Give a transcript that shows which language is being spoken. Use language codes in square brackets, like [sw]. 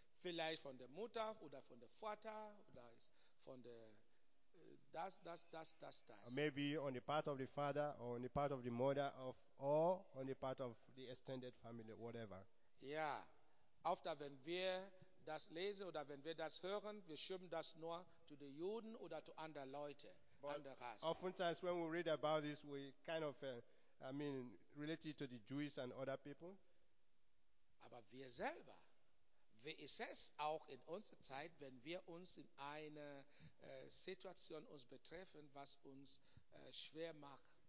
[de] Vielleicht von der Mutter oder von der Vater oder von der das. [en] Or maybe on the part of the father or on the part of the mother of or on the part of the extended family, whatever. [de] Ja, oft wenn wir das lesen oder wenn wir das hören, wir schieben das nur zu den Juden oder zu anderen Leuten. [en] Oftentimes when we read about this, we kind of, relate it to the Jews and other people. [de] Aber wir selber, wie ist es auch in unserer Zeit, wenn wir uns in eine Situation uns betreffen, was uns schwer macht?